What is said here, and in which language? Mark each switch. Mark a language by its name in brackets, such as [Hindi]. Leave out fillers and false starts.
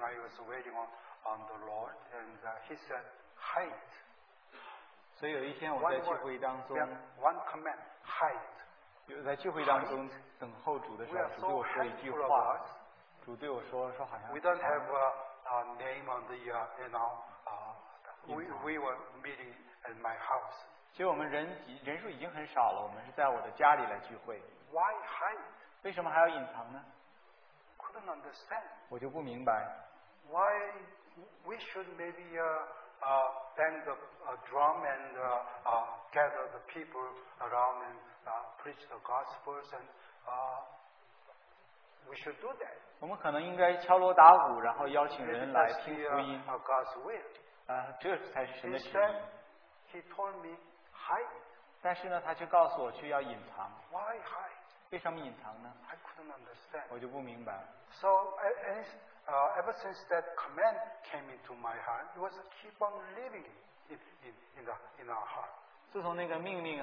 [English] I was waiting on the Lord, and He said, "Height." [Chinese] 所以有一天我在聚会当中， [English] one command, height. [Chinese] 有在聚会当中等候主的时候，主对我说一句话。主对我说, [English] we don't have a name on the, you know, we were meeting at my house. [Chinese] 其实我们人数已经很少了，我们是在我的家里来聚会。 [English] Why hide? [Chinese] 为什么还要隐藏呢？ [English] Couldn't understand. [Chinese] 我就不明白。 [English] Why we should maybe bang the drum and gather the people around and preach the gospels and we should do that. [Chinese] 我们可能应该敲锣打鼓，然后邀请人来听福音。 [English] God's will. [Chinese] 这才是神的旨意。 [English] He told me hide. [Chinese] 但是呢，他却告诉我去要隐藏。 [English] Why hide? [Chinese] 为什么隐藏呢？ [English] I couldn't understand. [Chinese] 我就不明白。 [English] So ever since that command came into my heart, it was keep on living in our heart.